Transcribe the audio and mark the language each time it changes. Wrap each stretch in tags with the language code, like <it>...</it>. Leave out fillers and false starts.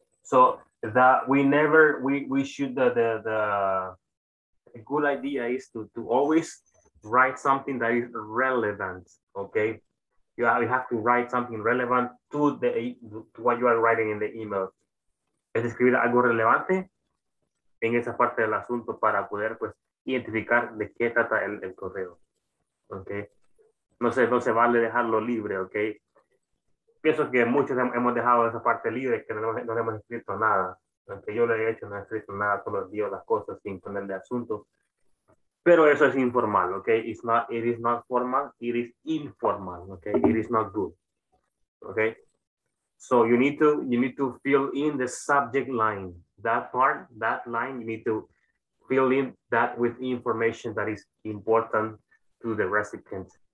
<en>So that a good idea is to always write something that is relevant. Okay, you have to write something relevant to what you are writing in the email.</en> <es>Es escribir algo relevante en esa parte del asunto para poder pues identificar de qué trata el correo, okay. No se vale dejarlo libre, okay. Pienso que muchos hemos dejado esa parte libre, que no hemos escrito nada, aunque yo lo he hecho, no he escrito nada, solo digo las cosas sin ponerle asunto, pero eso es informal, okay.</es> <en>It is not formal, it is informal, okay. It is not good, okay. So you need to fill in the subject line, that part, that line, you need to filling that with information that is important to the recipient.</en>